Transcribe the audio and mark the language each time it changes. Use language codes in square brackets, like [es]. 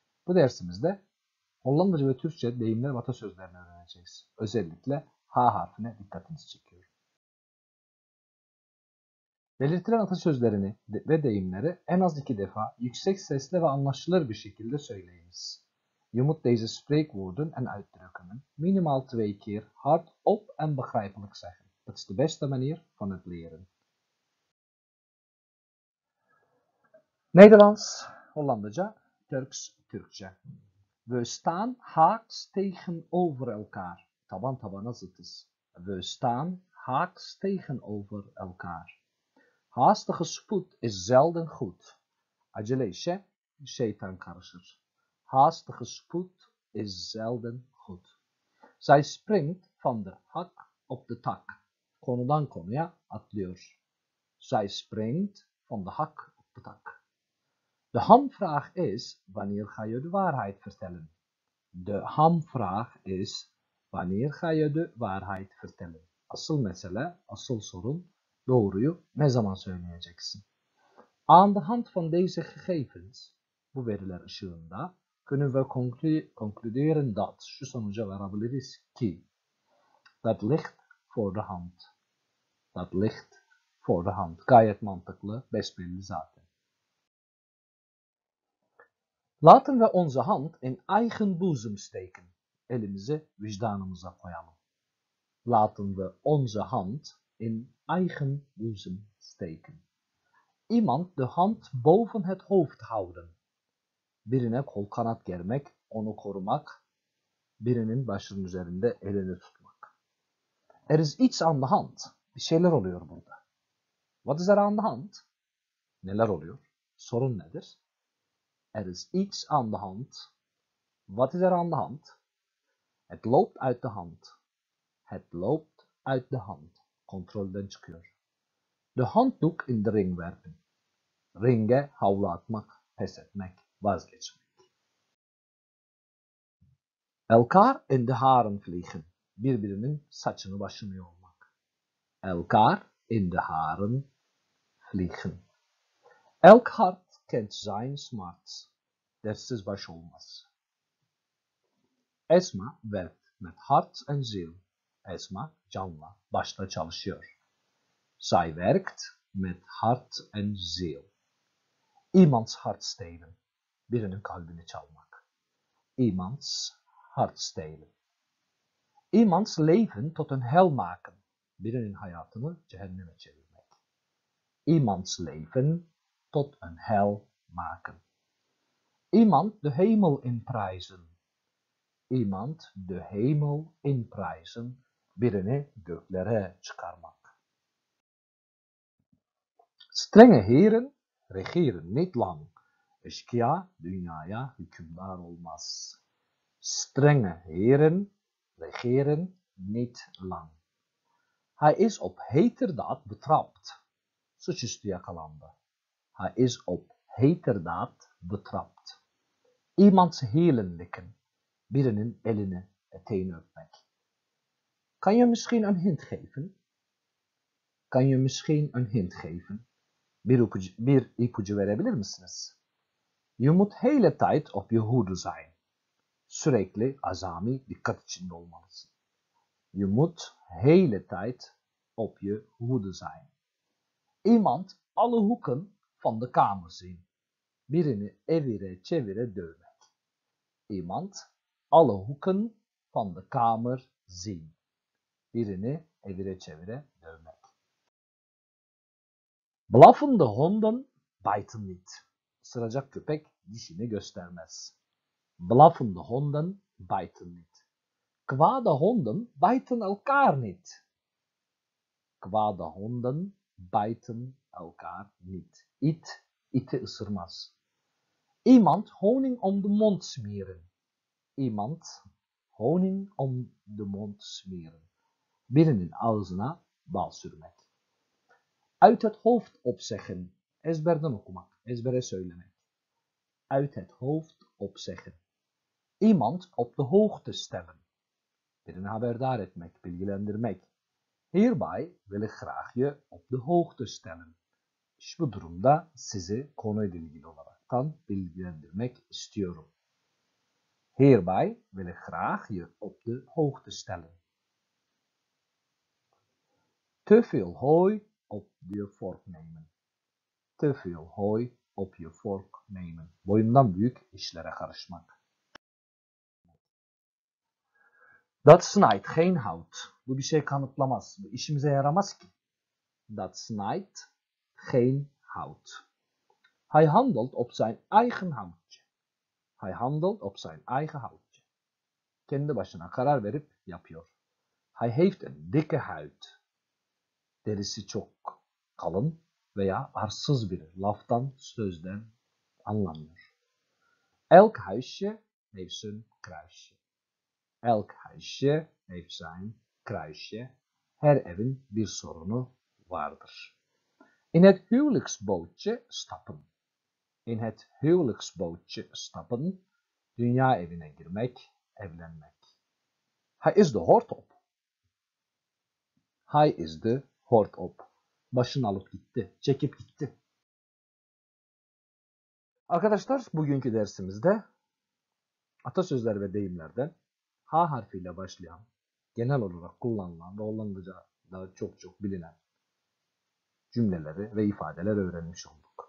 [tr] Bu dersimizde Hollandaca ve Türkçe deyimler ve atasözlerini öğreneceğiz. Özellikle H harfine dikkatinizi çekiyorum. Belirtilen atasözlerini ve deyimleri en az iki defa yüksek sesle ve anlaşılır bir şekilde söyleyiniz. [nl] Jumut deze spreekwoorden en uitdrukkingen minimaal twee keer hard op en begrijpelijk zeggen. Dat is de beste manier van het leren. Nederlands, Hollandaca, Turks, Türkçe. We staan haaks tegenover elkaar. [tr] Taban tabana [nl] zitten. We staan haaks tegenover elkaar. Haastige spoed is zelden goed. [tr] Acele işe şeytan karışır. [nl] Haastige spoed is zelden goed. Zij springt van de hak op de tak. [tr] Konudan konuya atlıyor. [nl] Zij springt van de hak op de tak. De hamvraag is, wanneer ga je de waarheid vertellen? De hamvraag is, wanneer ga je de waarheid vertellen? [tr] Asıl mesele, asıl sorun. Doğruyu ne zaman söyleyeceksin? [nl] Aan de hand van deze gegevens, [tr] bu veriler ışığında, [nl] kunnen we concluderen dat, [tr] şu sonuca varabiliriz ki, [nl] dat ligt voor de hand. Dat ligt voor de hand. [tr] Gayet mantıklı, besbelli zaten. [nl] Laten we onze hand in eigen boezem steken. [tr] Elimizi vicdanımıza koyalım. [nl] Laten we onze hand in eigen boezem steken. Iemand de hand boven het hoofd houden. [tr] Birine kol kanat germek, onu korumak. Birinin başının üzerinde elini tutmak. [nl] Er is iets aan de hand. [tr] Bir şeyler oluyor burada. [nl] What is er aan de hand? [tr] Neler oluyor? Sorun nedir? [nl] Er is iets aan de hand. What is er aan de hand? Het loopt uit de hand. Het loopt uit de hand. [tr] Kontrolden çıkıyor. [nl] De handdoek in de ring werpen. [tr] Ringe havlu atmak, pes etmek, vazgeçmek. [nl] Elkaar in de haren vliegen. [tr] Birbirinin saçını başını yolmak. [nl] Elkaar in de haren vliegen. Elk hart kent zijn smart. [tr] Dertsiz baş olmaz. [nl] Esma werkt met hart en ziel. [tr] Esma canla başla çalışıyor. [nl] Zij werkt met hart en ziel. Iemands hart stelen. [tr] Birinin kalbini çalmak. [nl] Iemands hart stelen. Iemands leven tot een hel maken. [tr] Birinin hayatını cehenneme çevirmek. [nl] Iemands leven tot een hel maken. Iemand de hemel in prijzen. Iemand de hemel in prijzen. [tr] Birini göklere çıkarmak. [nl] Strenge heren regeren niet lang. [tr] Eşkıya dünyaya hükümdar olmaz. [nl] Strenge heren regeren niet lang. Hij is op heterdaad betrapt. [tr] Suçüstü yakalandı. [nl] Hij is op heterdaad betrapt. İmans heelen likken. [tr] Birinin elini eteğini öpmek. [nl] Kan je misschien een hint geven? Kan je misschien een hint geven? [tr] Bir ipucu verebilir misiniz? [nl] Je moet hele tijd op je hoede zijn. [tr] Sürekli azami dikkat içinde olmalısın. [nl] Je moet hele tijd op je hoede zijn. İmand alle hoeken van de kamer zien. [tr] Birini evire çevire dövmek. [nl] İmand alle hoeken van de kamer zien. [tr] Birini evire çevire dövmek. [nl] Blaffende honden bijten niet. [tr] Sıracak köpek dişini göstermez. [nl] Blaffende honden bijten niet. Kwade honden bijten elkaar niet. Kwade honden bijten elkaar niet. [tr] İt, iti ısırmaz. [nl] İmand honing om de mond smeren. İmand honing om de mond smeren. [tr] Birinin ağzına bal sürmek. [nl] Uit het hoofd opzeggen. [tr] Ezberden okumak. Ezbere söylemek. [nl] Uit het hoofd opzeggen. Iemand op de hoogte stellen. [tr] Birini haberdar etmek, bilgilendirmek. [nl] Hierbij wil ik graag je op de hoogte stellen. [tr] Dus bu durumda sizi konuyla ilgili olaraktan bilgilendirmek istiyorum. [nl] Hierbij wil ik graag je op de hoogte stellen. Te veel hooi op je vork nemen. Te veel hooi op je vork nemen. [tr] Boyundan büyük işlere karışmak. [nl] Dat snijdt geen hout. [tr] Bu bir şey kanıtlamaz. Bu işimize yaramaz ki. [nl] Dat snijdt geen hout. Hij handelt op zijn eigen houtje. Hij handelt op zijn eigen houtje. [tr] Kendi başına karar verip yapıyor. [nl] Hij heeft een dikke huid. [tr] Derisi çok kalın veya arsız biri. Laftan, sözden anlamıyor. [nl] Elk huisje heeft zijn kruisje. Elk huisje heeft zijn kruisje. [tr] Her evin bir sorunu vardır. [nl] In het huwelijksbootje stappen. In het huwelijksbootje stappen. [tr] Dünya evine girmek, evlenmek. [nl] Hij is de hortop. Hij is de hortop. [tr] Başını alıp gitti, çekip gitti. Arkadaşlar, bugünkü dersimizde atasözler ve deyimlerden H harfiyle başlayan, genel olarak kullanılan ve kullanılacağı daha çok bilinen cümleleri ve ifadeler öğrenmiş olduk.